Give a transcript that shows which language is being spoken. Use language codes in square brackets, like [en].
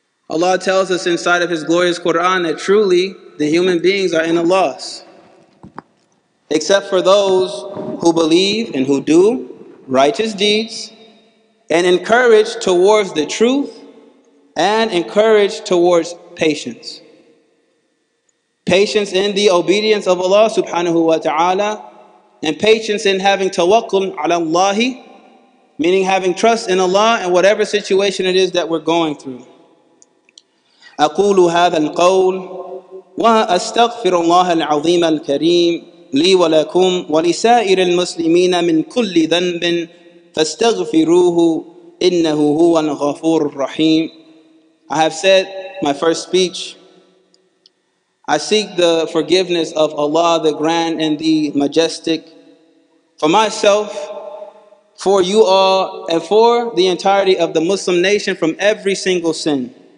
[en] Allah tells us inside of His glorious Quran that truly the human beings are in a loss, except for those who believe and who do righteous deeds and encourage towards the truth and encourage towards patience. Patience in the obedience of Allah subhanahu wa ta'ala, and patience in having tawakkul ala Allahi, meaning having trust in Allah and whatever situation it is that we're going through. [ar] أقول هذا القول وأستغفر الله العظيم الكريم لي ولكم ولسائر المسلمين من كل ذنب فاستغفروه إنه هو الغفور الرحيم. [en] I have said my first speech. I seek the forgiveness of Allah, the Grand and the Majestic, for myself, for you all, and for the entirety of the Muslim nation from every single sin.